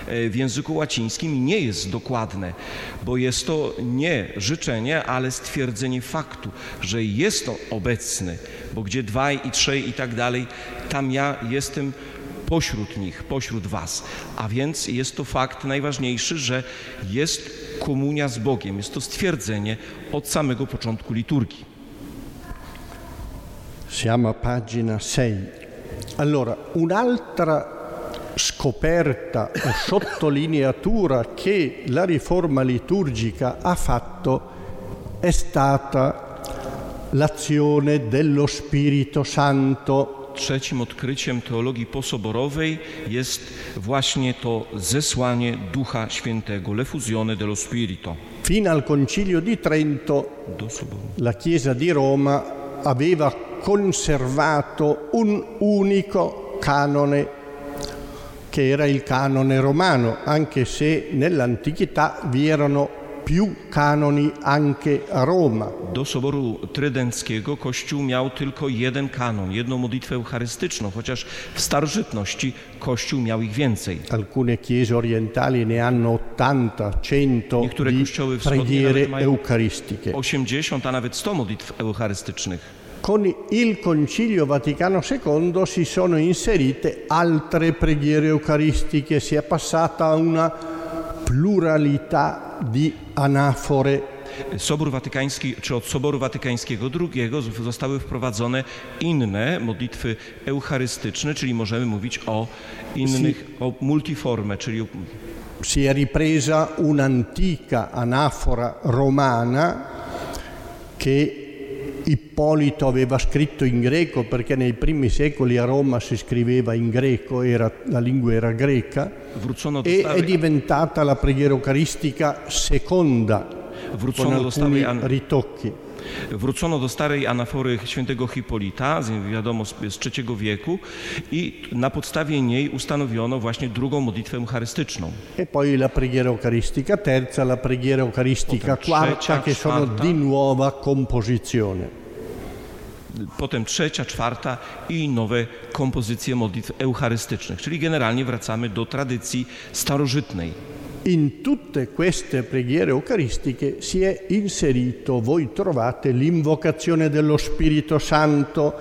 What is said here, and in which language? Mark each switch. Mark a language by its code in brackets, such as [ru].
[pl] W języku łacińskim nie jest dokładne, bo jest to nie życzenie, ale stwierdzenie faktu, że jest to obecny, bo gdzie dwaj i trzej i tak dalej, tam ja jestem pośród nich, pośród was. A więc jest to fakt najważniejszy, że jest komunia z Bogiem. Jest to stwierdzenie od samego początku liturgii. [it] Siamo a pagina 6. Allora, un'altra scoperta o sottolineatura che la riforma liturgica ha fatto è stata l'azione dello Spirito Santo. [pl] Trzecim odkryciem teologii posoborowej jest właśnie to zesłanie Ducha Świętego, [it] l'effusione dello Spirito. Fino al Concilio di Trento, la Chiesa di Roma aveva conservato un unico canone, che era il canone romano, anche se nell'antichità vi erano più canoni anche a Roma. [pl] Do soboru trydenckiego Kościół miał tylko jeden kanon, jedną modlitwę eucharystyczną, chociaż w starożytności Kościół miał ich więcej. [it] Alcune chiese orientali ne hanno 80, 100 [pl] Niektóre [it] di [pl] kościoły [it] preghiere eucharistiche. [pl] 80, a nawet 100 modlitw eucharystycznych. [it] Con il Concilio Vaticano II si sono inserite altre preghiere eucaristiche, si è passata a una pluralità di anafore. [pl] Sobór Watykański, czy od Soboru Watykańskiego II zostały wprowadzone inne modlitwy eucharystyczne, czyli możemy mówić o innych, o multiforme, czyli... [it] Si è ripresa un'antica anafora romana che Ippolito aveva scritto in greco, perché nei primi secoli a Roma si scriveva in greco, era, la lingua era greca, e è diventata la preghiera eucaristica seconda, con alcuni ritocchi. [pl] Wrócono do starej anafory świętego Hipolita, wiadomo, z III wieku, i na podstawie niej ustanowiono właśnie drugą modlitwę eucharystyczną. [it] E poi la preghiera eucaristica terza, la preghiera eucaristica quarta, che sono di nuova composizione. [pl] Potem trzecia, czwarta i nowe kompozycje modlitw eucharystycznych, czyli generalnie wracamy do tradycji starożytnej. [it] In tutte queste preghiere eucaristiche si è inserito, voi trovate, l'invocazione dello Spirito Santo.